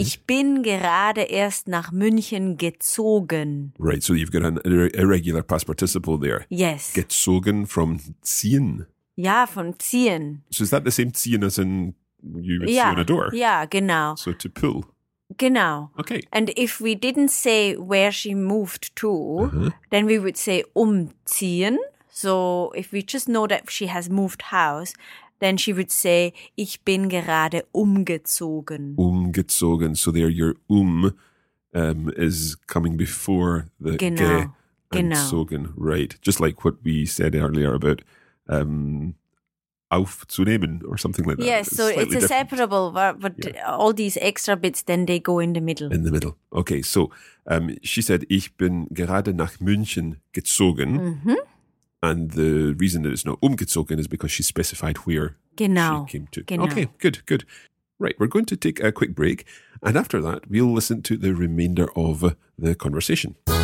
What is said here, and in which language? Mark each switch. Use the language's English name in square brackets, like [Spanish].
[German] Ich bin gerade erst nach München gezogen. [English] Right, so you've got an irregular past participle there. Yes. Gezogen from ziehen. [German] Ja, von ziehen. [English] So is that the same ziehen as in you would see on a door? Yeah, genau. So to pull. [German] Genau. [English] Okay. And if we didn't say where she moved to, then we would say umziehen. So if we just know that she has moved house, then she would say, [German] ich bin gerade umgezogen. [English] Umgezogen. So there your is coming before the gezogen. Right. Just like what we said earlier about aufzunehmen or something like that. Yes, so it's a separable verb, but all these extra bits, then they go in the middle. In the middle. Okay, so she said, [German] ich bin gerade nach München gezogen. [English] Mm-hmm. And the reason that it's not umgezogen is because she specified where she came to. [German] Genau. [English] Okay, good, good. Right, we're going to take a quick break. And after that, we'll listen to the remainder of the conversation.